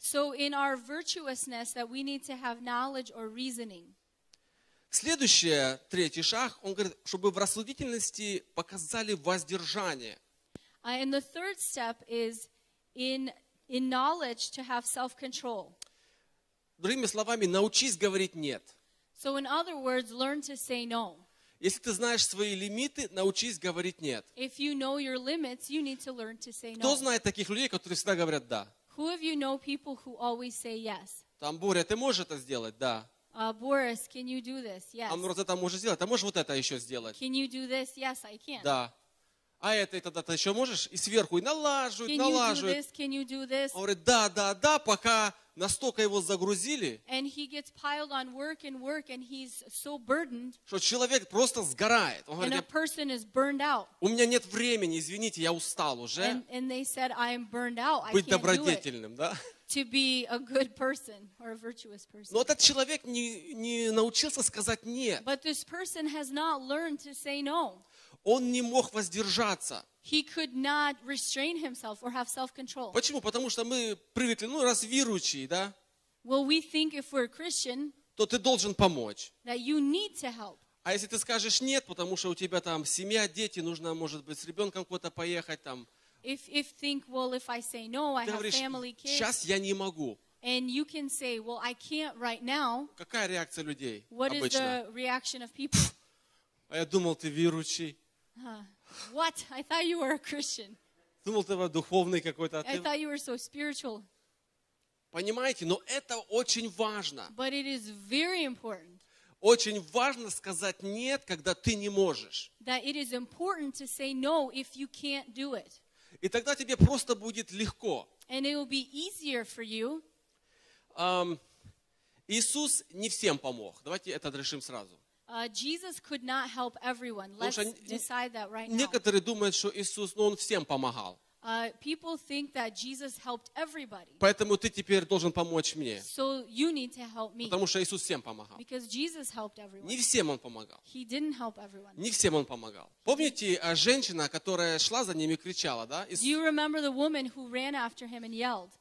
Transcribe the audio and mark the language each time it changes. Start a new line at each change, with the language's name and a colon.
English: So in our virtuousness that we need to have knowledge or reasoning.
Russian: Следующее, третий шаг, он говорит, чтобы в рассудительности показали воздержание.
English: And the third step is in knowledge to have self-control.
Russian: Другими словами, научись говорить нет.
English: So in other words, learn to say no.
Russian: Если ты знаешь свои лимиты, научись говорить нет.
English: If you know your limits, you need to learn to say no.
Russian: Кто знает таких людей, которые всегда говорят да?
English: Who of you know people who always say yes?
Russian: Там Боря, ты можешь это сделать, да?
English: Boris, can you do this? Yes.
Russian: А ну раз это можешь сделать, а можешь вот это еще сделать?
English: Can you do this? Yes, I can.
Russian: Да. А это и тогда ты еще можешь? И сверху, и налаживают,
English: can
Russian: налаживают.
English: You do this? Can you do this?
Russian: Он говорит, да, да, да, пока настолько его загрузили,
English: and he gets piled on work and work, and he's so burdened,
Russian: что человек просто сгорает. Он говорит,
English: and a person is burned out.
Russian: У меня нет времени, извините, я устал уже.
English: And they said, I am burned out.
Russian: Быть добродетельным, да?
English: To be a good person or a virtuous person.
Russian: Но этот человек не научился сказать нет.
English: But this person has not learned to say no.
Russian: Он не мог воздержаться.
English: He could not restrain himself or have self-control.
Russian: Почему? Потому что мы привыкли, ну раз верующие, да?
English: Well, we think if we're Christian,
Russian: то ты должен помочь.
English: That you need to help.
Russian: А если ты скажешь нет, потому что у тебя там семья, дети, нужно, может быть, с ребенком куда-то поехать там.
English: If think, well, if I say no, I have family kids.
Russian: Сейчас я не могу.
English: And you can say, well, I can't right now.
Russian: Какая реакция людей?
English: What is the reaction of people?
Russian: А я думал, ты верующий.
English: What? I thought you were a Christian.
Russian: Думал, ты духовный какой-то.
English: I thought you were so spiritual.
Russian: Понимаете, но это очень важно.
English: But it is very important.
Russian: Очень важно сказать нет, когда ты не можешь.
English: That it is important to say no if you can't do it.
Russian: И тогда тебе просто будет легко.
English: And it will be easier for you.
Russian: Иисус не всем помог. Давайте это решим сразу.
English: Jesus could not help everyone. Let's decide that right now.
Russian: Некоторые думают, что Иисус, ну, он всем помогал.
English: People think that Jesus helped everybody.
Russian: Поэтому ты теперь должен помочь мне.
English: So you need to help me.
Russian: Потому что Иисус всем помогал.
English: Because Jesus helped everyone.
Russian: Не всем он помогал.
English: He didn't help everyone.
Russian: Не всем он помогал. Помните женщина, которая шла за ним и кричала, да?
English: Do you remember the woman who ran after him and yelled?